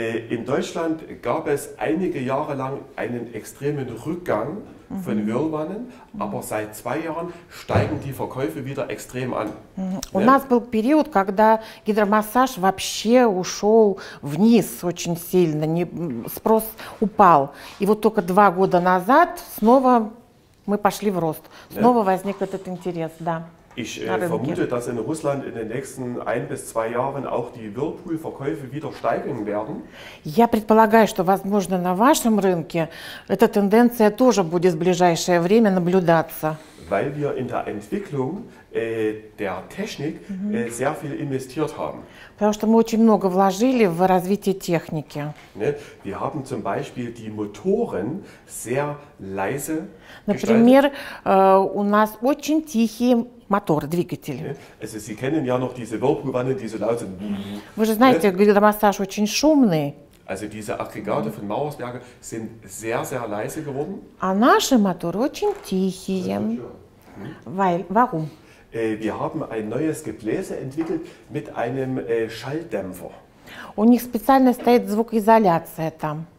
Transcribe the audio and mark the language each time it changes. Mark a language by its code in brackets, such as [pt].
[de] In Deutschland gab es einige Jahre lang einen extremen Rückgang von Whirlwannen, aber seit zwei Jahren steigen die Verkäufe wieder extrem an. [ru] У нас был период, когда гидромассаж вообще ушел вниз очень сильно, спрос упал. И вот только два года назад снова мы пошли в рост. Снова возник этот интерес, да. [de] Ich vermute, dass in Russland in den nächsten ein bis zwei Jahren auch die Whirlpool-Verkäufe wieder steigen werden. [ru] Я предполагаю, что, возможно, на вашем рынке эта тенденция тоже будет в ближайшее время наблюдаться. [de] Weil wir in der Entwicklung der Technik sehr viel investiert haben. [ru] Потому что мы очень много вложили в развитие техники. [de] Ne? Wir haben zum Beispiel die Motoren sehr leise gestaltet. [ru] Например, у нас очень тихие моторы, двигатели. [de] Ne? Also, Sie kennen ja noch diese Whirlpool-Wannen, die so laut sind. [ru] Вы же знаете, гидромассаж очень шумный. [de] Also diese Aggregate von Mauersberger sind sehr, sehr leise geworden. [ru] А наши моторы очень тихие. [de] Weil, warum? Wir haben ein neues Gebläse entwickelt mit einem Schalldämpfer. [ru] У них специально стоит звукоизоляция там.